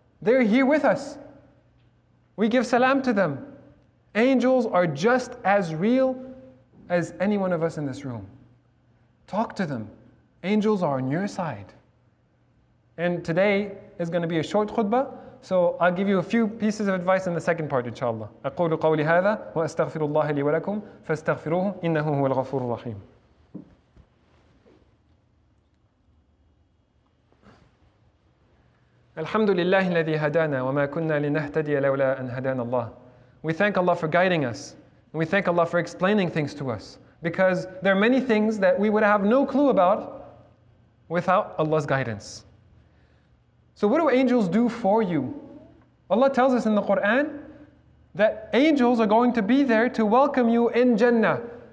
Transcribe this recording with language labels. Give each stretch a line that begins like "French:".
English: They're here with us. We give salam to them. Angels are just as real as any one of us in this room. Talk to them. Angels are on your side. And today is going to be a short khutbah, so I'll give you a few pieces of advice in the second part, inshallah.
Arabic: أقول قولي هذا وأستغفر الله لي ولكم فاستغفروه إنه هو الغفور الرحيم. الحمد لله الذي هدانا وما كنا لنهتدي لولا أن هدانا الله.
English: We thank Allah for guiding us. And we thank Allah for explaining things to us. Because there are many things that we would have no clue about without Allah's guidance. So what do angels do for you? Allah tells us in the Quran that angels are going to be there to welcome you in Jannah.